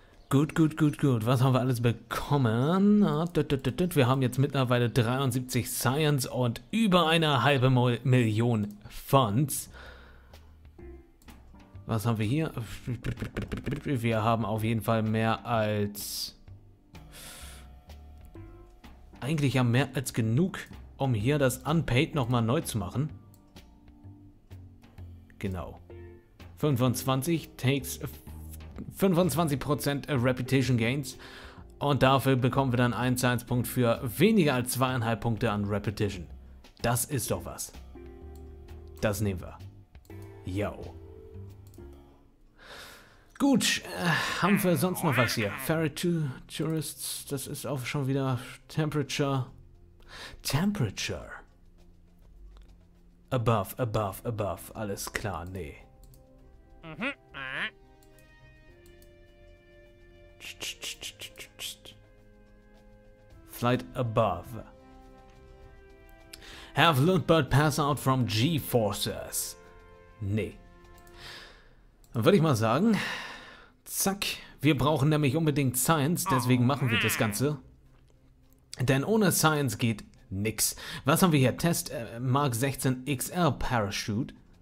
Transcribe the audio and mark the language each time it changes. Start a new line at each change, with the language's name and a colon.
German: Gut. Was haben wir alles bekommen? Wir haben jetzt mittlerweile 73 Science und über eine halbe Million Funds. Was haben wir hier? Wir haben auf jeden Fall mehr als... Eigentlich ja mehr als genug, um hier das Unpaid nochmal neu zu machen. Genau.
English: 25 takes 25% Reputation Gains.
German: Und dafür bekommen wir dann einen Science-Punkt für weniger als 2,5 Punkte an Reputation. Das ist doch was. Das nehmen wir. Yo. Gut, haben wir sonst noch was hier? Ferry to Tourists, das ist auch schon wieder Temperature. Temperature. Above, alles klar, nee.
English: Flight above. Have Lootbird pass out from G-Forces.
German: Nee. Dann würde ich mal sagen, zack, wir brauchen nämlich unbedingt Science, deswegen machen wir das Ganze. Denn ohne Science geht nix. Was haben wir hier? Test Mark 16 XL Parachute.